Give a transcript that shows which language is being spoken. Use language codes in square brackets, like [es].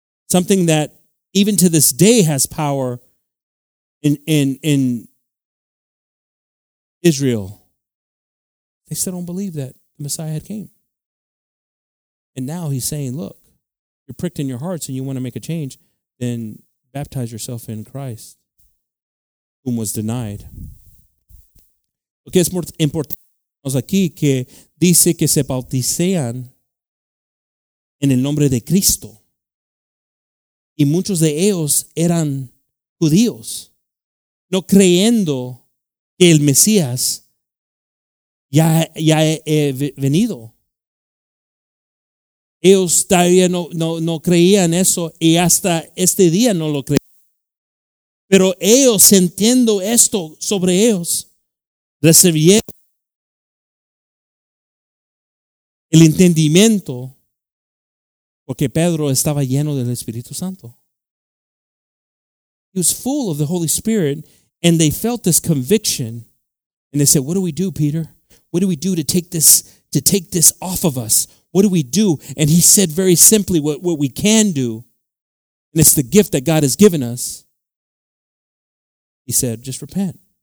[en] Something that even to this day has power in Israel. They still don't believe that the Messiah had came. And now he's saying, look, you're pricked in your hearts and you want to make a change, then baptize yourself in Christ, whom was denied. [es] Lo que es muy importante aquí, que dice que se bauticean en el nombre de Cristo. Y muchos de ellos eran judíos, no creyendo que el Mesías Ya he venido. Ellos todavía no creían eso y hasta este día no lo creían. Pero ellos, sintiendo esto sobre ellos, recibieron el entendimiento porque Pedro estaba lleno del Espíritu Santo. [en] He was full of the Holy Spirit and they felt this conviction and they said, what do we do, Peter? What do we do to take this off of us? What do we do? And he said very simply what we can do, and it's the gift that God has given us. He said, just repent.